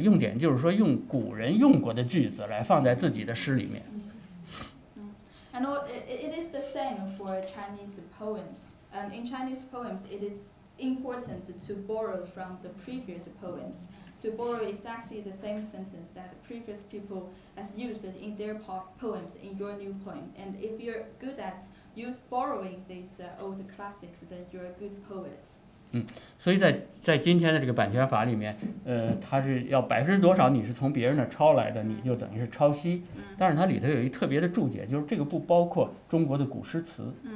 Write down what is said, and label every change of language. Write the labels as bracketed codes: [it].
[zh] 用典就是说用古人用过的句子来放在自己的诗里面。 [en] And it is the same for Chinese poems. In Chinese poems, it is important to borrow from the previous poems. To borrow exactly the same sentence that previous people has used in their poems in your new poem, and if you're good at use borrowing these old classics, then you're a good poet. [zh] 所以在今天的这个版权法里面，它是要百分之多少你是从别人那抄来的，你就等于是抄袭。但是它里头有一特别的注解，就是这个不包括中国的古诗词。